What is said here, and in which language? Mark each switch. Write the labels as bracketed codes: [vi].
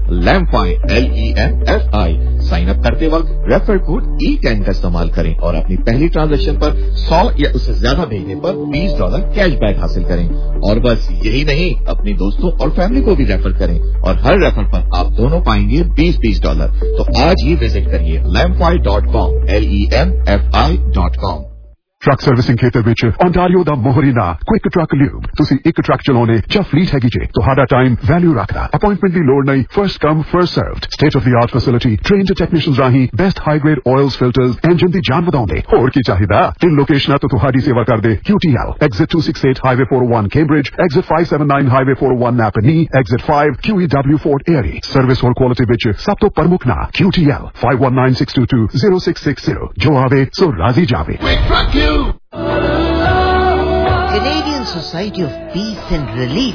[hi] लैम्पफाई LEMFI, sign up करते वक्त refer code E10 का इस्तेमाल करें और अपनी पहली ट्रांजैक्शन पर 100 या उससे ज्यादा भेजने पर $20 कैश बैक हासिल करें। और बस यही नहीं, अपने दोस्तों और फैमिली को भी रेफर करें और हर रेफर पर आप दोनों पाएंगे $20-$20। तो आज ही विजिट करिए lampfi.com, LEMFI.com। [pa] ਟਰੱਕ ਸਰਵਿਸਿੰਗ ਖੇਤਰ ਵਿੱਚ ਓਂਟਾਰੀਓ ਦਾ ਮੋਹਰੀਨਾ ਕੁਇਕ ਟਰੱਕ ਲਿਊਬ ਤੁਸੀਂ ਇੱਕ ਟਰੱਕ ਚਲਾਉਣੇ ਜਾਂ ਫਲੀਟ ਹੈਗੀ ਜੇ ਤੁਹਾਡਾ ਟਾਈਮ ਵੈਲਿਊ ਰੱਖਦਾ ਅਪਾਇੰਟਮੈਂਟ ਦੀ ਲੋੜ ਨਹੀਂ [en] first come first served [pa] state of ਦੀ art facility trained technicians ਰਾਹੀਂ best high grade IELTS filters engine ਦੀ ਜਾਨ ਵਧਾਉਂਦੇ ਹੋਰ ਕੀ ਚਾਹੀਦਾ ਤਿੰਨ ਲੋਕੇਸ਼ਨਾਂ ਤੋਂ ਤੁਹਾਡੀ ਸੇਵਾ ਕਰਦੇ QTL exit 268 highway 401 ਕੇਂਬ੍ਰਿਜ exit 579 highway 401 ਨਾਪਨੀ exit 5 QEW fort ਏਰੀ ਸਰਵਿਸ ਹੋਰ ਕੁਆਲਿਟੀ ਵਿੱਚ ਸਭ ਤੋਂ ਪ੍ਰਮੁੱਖ ਨਾਂ QTL 519-622-0660 ਜੋ ਆਵੇ ਸੋ ਰਾਜ਼ੀ ਜਾਵੇ [en] Canadian Society of Peace and Relief